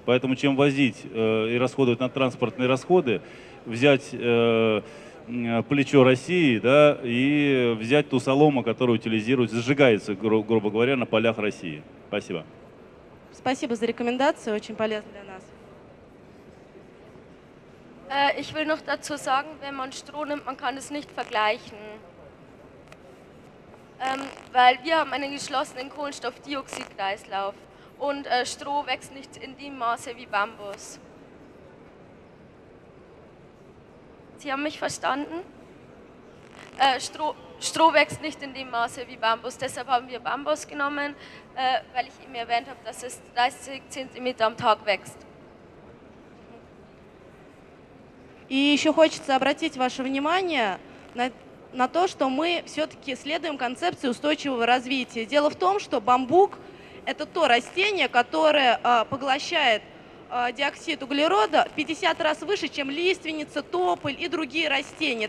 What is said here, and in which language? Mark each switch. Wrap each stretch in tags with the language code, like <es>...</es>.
<ru>Поэтому чем возить и расходовать на транспортные расходы, взять плечо России, да, и взять ту солому, которая утилизируется, сжигается, грубо говоря, на полях России. Спасибо. Спасибо за рекомендацию, очень полезно для нас.</ru> <de>Ich will noch dazu sagen, wenn man Stroh nimmt, man kann es nicht vergleichen. Weil wir haben einen geschlossenen Kohlenstoffdioxidkreislauf und Stroh wächst nicht in dem Maße wie Bambus. Sie haben mich verstanden? Stroh wächst nicht in dem Maße wie Bambus, deshalb haben wir Bambus genommen, weil ich eben erwähnt habe, dass es 30 cm am Tag wächst. Und</de> <ru>еще хочется обратить ваше внимание на то, что мы все-таки следуем концепции устойчивого развития. Дело в том, что бамбук – это то растение, которое поглощает диоксид углерода в 50 раз выше, чем лиственница, тополь и другие растения.</ru>